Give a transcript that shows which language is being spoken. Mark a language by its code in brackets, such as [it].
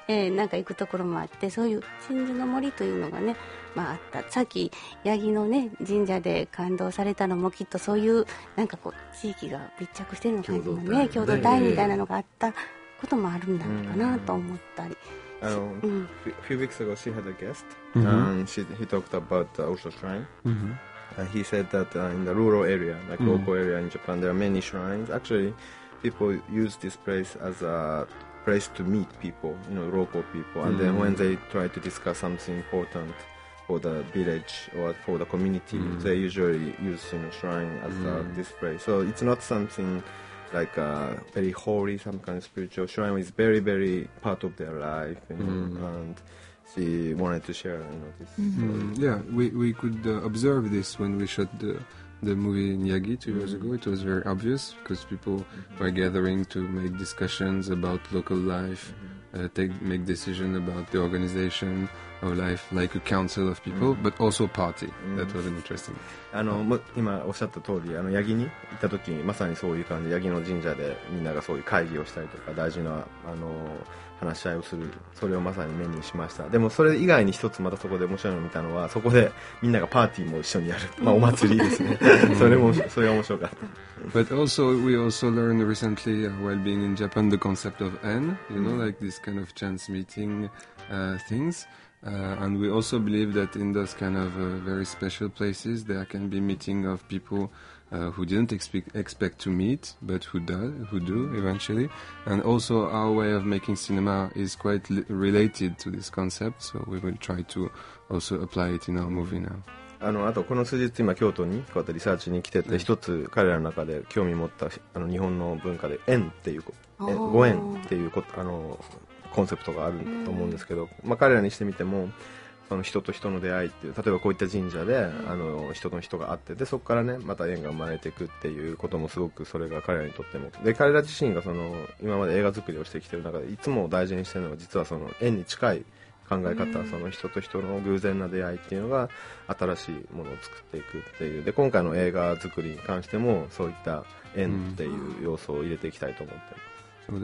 [ja] なんか行くところもあって、そういう鎮守の森というのがね、まあ、あった。さっき八木の、ね、神社で感動されたのもきっとそういうなんかこう地域が密着してるのかな、ね、共同体みたいなのがあったこともあるんだろうかなと思ったり。 [en] A few weeks ago she had a guest、mm-hmm. and she, he talked about the Osho Shrine、 mm-hmm. and he said that、in the rural area, like local、mm-hmm. area in Japan, there are many shrines. Actually, people use this place as aplace to meet people, you know, local people, and、mm-hmm. then when they try to discuss something importantfor the village or for the community、mm-hmm. they usually use you know, shrine as、mm-hmm. a display, so it's not something like a very holy, some kind of spiritual shrine is very very part of their life, you know,、mm-hmm. and she wanted to share you know, this、 mm-hmm. yeah we could、observe this when we shot the movie Niyagi 2 years、mm-hmm. ago. It was very obvious because people、mm-hmm. were gathering to make discussions about local life、mm-hmm. make decisions about the organizationof life, like a council of people,、mm-hmm. but also party.、Mm-hmm. That was interesting. [ja] あの、も、今おっしゃった通り、あの、ヤギに行った時に、まさにそういう感じ、ヤギの神社でみんながそういう会議をしたりとか、大事な、あの、話し合いをする、それをまさに目にしました。でもそれ以外に一つまたそこで面白いのを見たのは、そこでみんながパーティーも一緒にやる。まあ、お祭りですね。それも、それが面白かった。 [en] But also, we also learned recently, while being in Japan, the concept of N, you know,、mm-hmm. like this kind of chance meeting, things. And we also believe that in those kind of very special places, there can be meeting of people、who didn't expect to meet, but who do eventually. And also our way of making cinema is quite related to this concept, so we will try to also apply it in our movie now. [ja] あとこの数日今京都にこうやってリサーチに来てて、一つ彼らの中で興味持ったあの日本の文化で縁っていう、ご縁っていうこと、あのコンセプトがあると思うんですけど、まあ、彼らにしてみてもその人と人の出会いっていう、例えばこういった神社であの人と人が会って、でそこからねまた縁が生まれていくっていうこともすごく、それが彼らにとっても、で彼ら自身がその今まで映画作りをしてきている中でいつも大事にしているのが、実はその縁に近い考え方、その人と人の偶然な出会いっていうのが新しいものを作っていくっていう、で今回の映画作りに関してもそういった縁っていう要素を入れていきたいと思っています。